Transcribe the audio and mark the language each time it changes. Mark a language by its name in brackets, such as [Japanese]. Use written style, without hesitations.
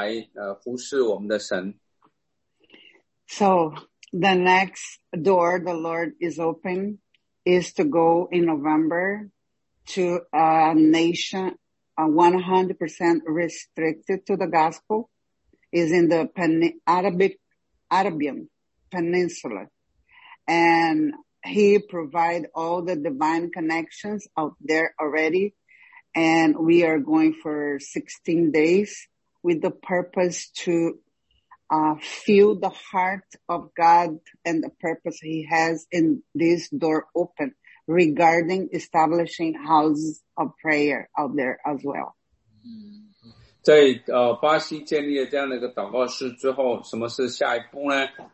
[Chinese] 在我们建立了在巴西建立的那个祷告室，那是一个很突破的前瞻性的第一个，也没有其他的祷告室在那个附近，然后我们盼望都是20岁到30岁这样的年轻人能够愿意回应呼召，一生就用祷告敬拜赞美来服侍我们的神。 [English] So the next door the Lord is open is to go in November to a nation 100% restricted to the gospel is in the Arabian Peninsula. And he provide all the divine connections out there already. And we are going for 16 days with the purpose to feel the heart of God and the purpose he has in this door open regarding establishing houses of prayer out there as well. [Chinese] 在巴西建立了这样的一个祷告室之后，什么是下一步呢？